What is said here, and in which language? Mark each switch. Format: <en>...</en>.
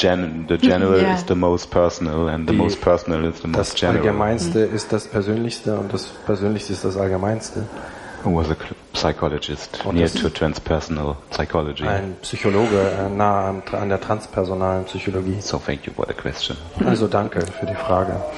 <en>the general is the most personal and the most personal is the most</en> <de>das</de> <en>general.</en> <de>Das Allgemeinste ist das Persönlichste und das Persönlichste ist das Allgemeinste.</de> <en>Who was a psychologist near to transpersonal psychology.</en> <de>Ein Psychologe nah an der transpersonalen Psychologie.</de> <en>So thank you for the question.</en> <de>Also danke für die Frage.</de>